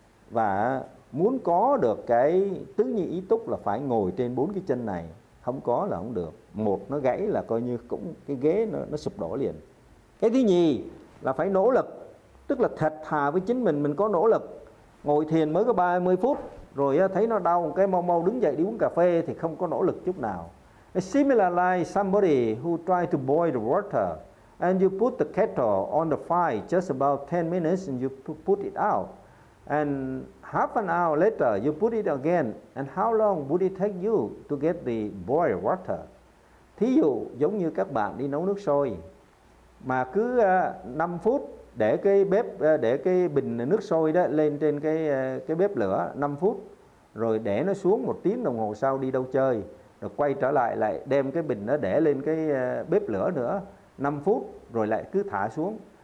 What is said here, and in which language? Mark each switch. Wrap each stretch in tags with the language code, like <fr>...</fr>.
<vi>Và muốn có được cái tứ như ý túc là phải ngồi trên bốn cái chân này, không có là không được. Một nó gãy là coi như cũng cái ghế nó sụp đổ liền. Cái thứ nhì là phải nỗ lực, tức là thật thà với chính mình có nỗ lực. Ngồi thiền mới có 30 phút rồi thấy nó đau cái mau mau đứng dậy đi uống cà phê thì không có nỗ lực chút nào.</vi> <en>Similar like somebody who tried to boil the water and you put the kettle on the fire just about 10 minutes and you put it out. And half an hour later you put it again. And how long would it take you to get the boiled water?</en> <vi>Thí dụ giống như các bạn đi nấu nước sôi mà cứ 5 phút để cái bếp, để cái bình nước sôi đó lên trên cái bếp lửa 5 phút, rồi để nó xuống 1 tiếng đồng hồ sau đi đâu chơi, rồi quay trở lại lại đem cái bình nó để lên cái bếp lửa nữa 5 phút rồi lại cứ thả xuống.</vi>